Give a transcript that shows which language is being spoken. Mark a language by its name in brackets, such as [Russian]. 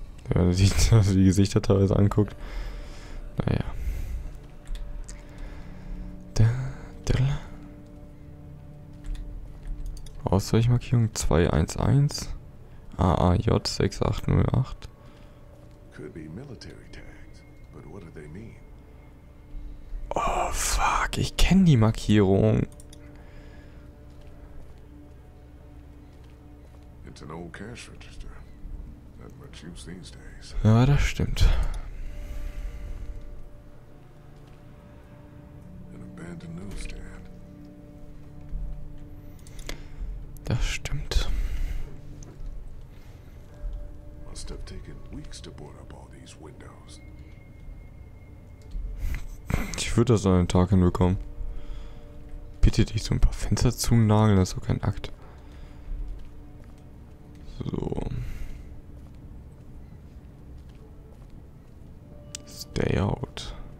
[German] Wenn man sich die Gesichter teilweise anguckt. Naja. Ausweichmarkierung 211 AAJ 6808. [English] Could be military tags, but what do they mean? [German] Oh fuck, ich kenne die Markierung. [English] It's an old cash register. Not much use these days. [German] Ja, das stimmt. [English] An abandoned newsstand. [German] Das stimmt. [English] Must have taken weeks to board up all these windows. [German] Ich würde das an einen Tag hinbekommen. Bitte dich so ein paar Fenster zu nageln, das ist doch kein Akt. So. [English] Stay out.